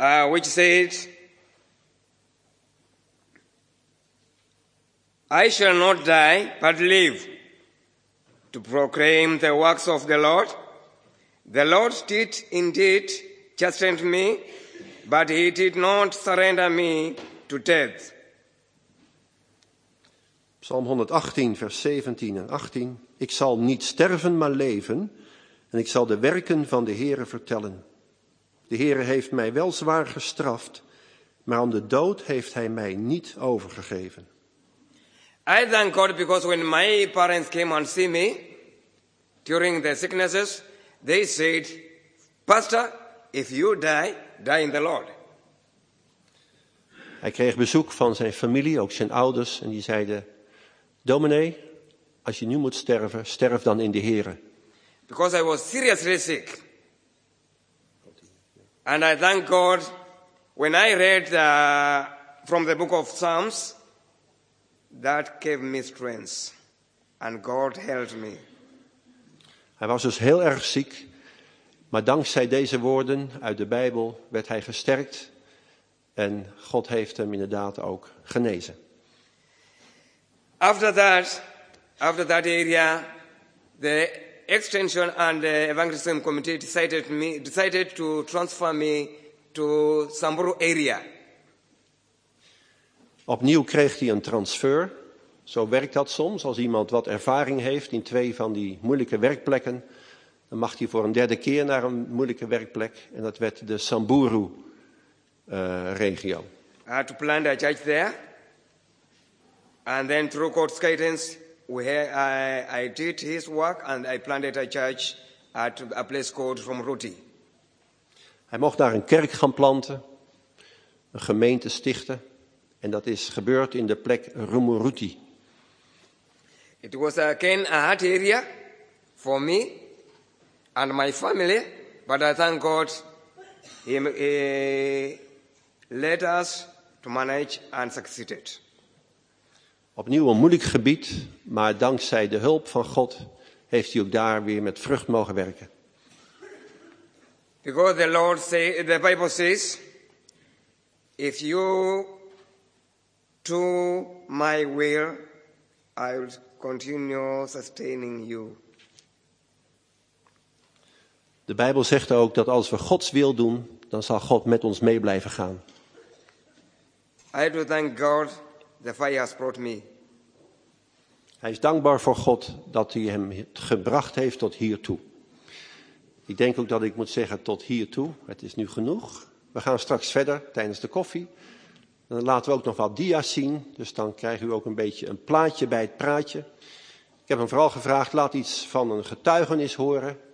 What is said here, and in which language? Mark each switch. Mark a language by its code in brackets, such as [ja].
[en] Which said, I shall not die, but live, to proclaim the works of the Lord. The Lord did indeed chasten me, but he did not surrender me to death. [nl] Psalm 118, vers 17 en 18. Ik zal niet sterven, maar leven, en ik zal de werken van de Heere vertellen. De Heere heeft mij wel zwaar gestraft, maar om de dood heeft hij mij niet overgegeven. [en] I thank God because when my parents came and see me during the sicknesses, they said, Pastor, if you die, die in the Lord. [nl] Hij kreeg bezoek van zijn familie, ook zijn ouders, en die zeiden, Dominee, als je nu moet sterven, sterf dan in de Heere. [en] Because I was seriously sick. And I thank God when I read from the book of Psalms, that gave me strength. And God helped me. [nl] Hij was dus heel erg ziek, maar dankzij deze woorden uit de Bijbel werd hij gesterkt. En God heeft hem inderdaad ook genezen. [en] After that area, the Extension and the Evangelism Committee decided to transfer me to Samburu area. [nl] Opnieuw kreeg hij een transfer. Zo werkt dat soms. Als iemand wat ervaring heeft in 2 van die moeilijke werkplekken, dan mag hij voor een 3de keer naar een moeilijke werkplek. En dat werd de Samburu regio. [en] I had to plant a church there. And then through God's guidance, I did his work and I planted a church at a place called Romruti. [nl] Hij mocht daar een kerk gaan planten, een gemeente stichten, en dat is gebeurd in de plek Romruti. [en] It was again a hard area for me and my family, but I thank God he led us to manage and succeeded. [nl] Opnieuw een moeilijk gebied, maar dankzij de hulp van God heeft hij ook daar weer met vrucht mogen werken. [en] Because the Lord say, the Bible says, if you do my will, I will continue sustaining you. [nl] De Bijbel zegt ook dat als we Gods wil doen, dan zal God met ons mee blijven gaan. [en] I do thank God the fire has brought me. [nl] Hij is dankbaar voor God dat hij hem gebracht heeft tot hiertoe. Ik denk ook dat ik moet zeggen tot hiertoe. Het is nu genoeg. We gaan straks verder tijdens de koffie. Dan laten we ook nog wat dia's zien. Dus dan krijgt u ook een beetje een plaatje bij het praatje. Ik heb hem vooral gevraagd, laat iets van een getuigenis horen.